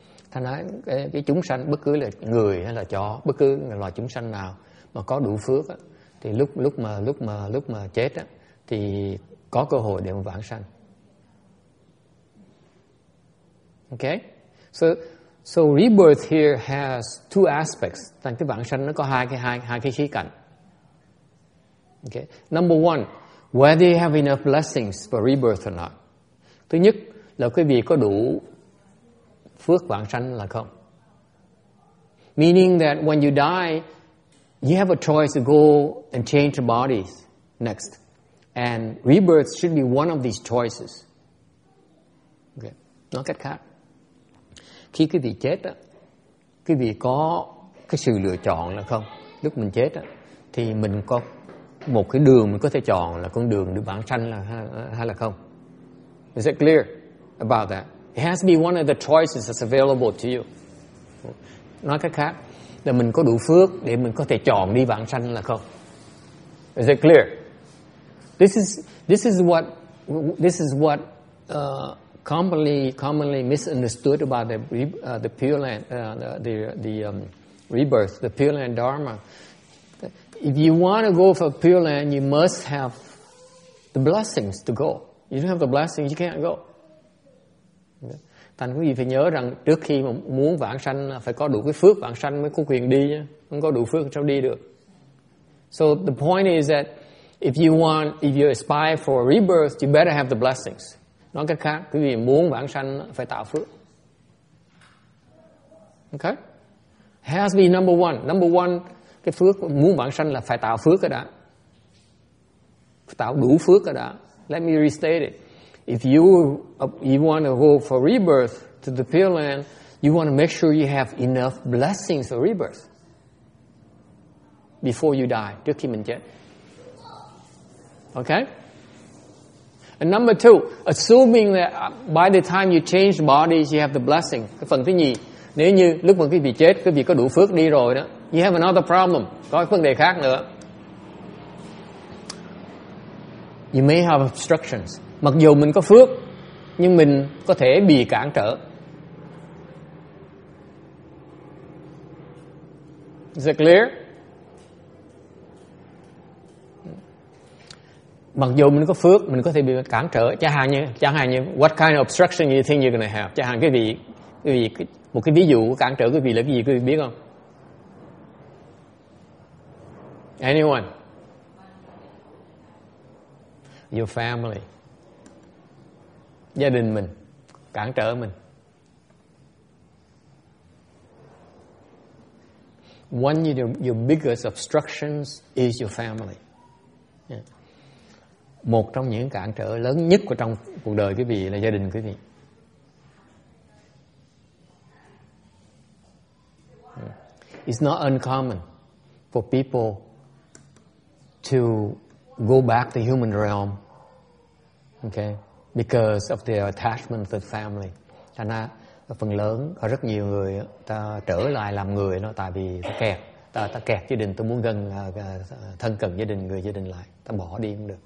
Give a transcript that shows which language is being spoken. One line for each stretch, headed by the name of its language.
Vietnamese: Thành nói cái chúng sanh, bất cứ là người hay là chó, bất cứ là loài chúng sanh nào mà có đủ phước á, thì lúc mà chết á, thì có cơ hội để mà vãng sanh.
English: Okay, so rebirth here has two aspects.
Vietnamese: Thành cái vãng sanh nó có hai cái khía cạnh.
English: Okay, number one, whether you have enough blessings for rebirth or not.
Vietnamese: Thứ nhất là quý vị có đủ phước vãng sanh là không.
English: Meaning that when you die, you have a choice to go and change your bodies next. And rebirth should be one of these choices. Okay.
Vietnamese: Nói cách khác, khi quý vị chết, quý vị có cái sự lựa chọn là không. Lúc mình chết, thì mình có một cái đường mình có thể chọn là con đường được vãng sanh là hay là không.
English: Is it clear about that? It has to be one of the choices that's available to you.
Vietnamese: Nói cách khác là mình có đủ phước để mình có thể chọn đi vãng sanh là không.
English: Is it clear? This is what commonly misunderstood about the Pure Land rebirth, the Pure Land Dharma. If you want to go for Pure Land, you must have the blessings to go. You don't have the blessings, you can't go.
Vietnamese: Thành quý vị phải nhớ rằng trước khi mà muốn vãng sanh là phải có đủ cái phước vãng sanh mới có quyền đi nhé. Không có đủ phước sao đi được.
English: So the point is that if you aspire for a rebirth, you better have the blessings.
Vietnamese: Nói cách khác, quý vị muốn vãng sanh phải tạo phước.
English: Okay? Has to be number one. Number one,
Vietnamese: cái phước muốn vãng sanh là phải tạo phước rồi đã. Phải tạo đủ phước rồi đã.
English: Let me restate it. If you want to go for rebirth to the Pure Land, you want to make sure you have enough blessings for rebirth before you die,
Vietnamese: trước khi mình chết.
English: Okay? And number two, assuming that by the time you change bodies, you have the blessing.
Vietnamese: Cái phần thứ nhì, nếu như lúc mà quý vị chết, quý vị có đủ phước đi rồi đó,
English: you have another problem,
Vietnamese: có vấn đề khác nữa.
English: You may have obstructions.
Vietnamese: Mặc dù mình có phước, nhưng mình có thể bị cản trở.
English: Is it clear?
Vietnamese: Mặc dù mình có phước, mình có thể bị cản trở. Chẳng hạn như,
English: what kind of obstruction you think you're going to have?
Vietnamese: Chẳng hạn cái vị, một cái ví dụ của cản trở cái vị là cái gì, quý vị biết không?
English: Anyone? Your family.
Vietnamese: Gia đình mình, cản trở mình.
English: One of your biggest obstructions is your family. Yeah.
Vietnamese: Một trong những cản trở lớn nhất của trong cuộc đời quý vị là gia đình quý vị.
English: Yeah. It's not uncommon for people to go back to the human realm. Okay? Because of their attachment to family.
Vietnamese: Thành ra phần lớn có rất nhiều người ta trở lại làm người nó tại vì ta kẹt gia đình, ta muốn gần thân cận gia đình, người gia đình lại, ta bỏ đi không được.